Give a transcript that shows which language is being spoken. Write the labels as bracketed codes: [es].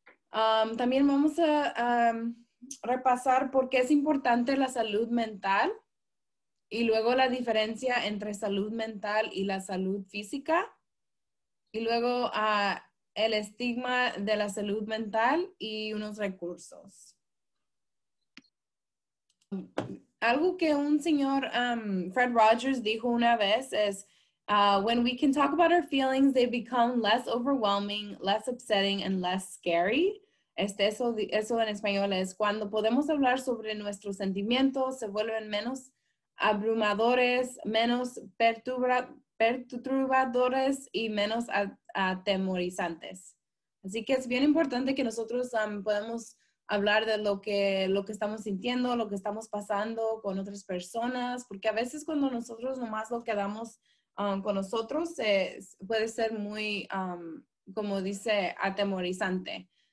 [es] También vamos a repasar por qué es importante la salud mental y luego la diferencia entre salud mental y la salud física. Y luego el estigma de la salud mental y unos recursos. Algo que un señor Fred Rogers dijo una vez es, [en] when we can talk about our feelings, they become less overwhelming, less upsetting, and less scary. [es] Eso en español es, cuando podemos hablar sobre nuestros sentimientos, se vuelven menos abrumadores, menos perturbadores y menos atemorizantes. Así que es bien importante que nosotros podamos hablar de lo que estamos sintiendo, lo que estamos pasando con otras personas, porque a veces cuando nosotros nomás lo quedamos con nosotros, puede ser muy, como dice, atemorizante.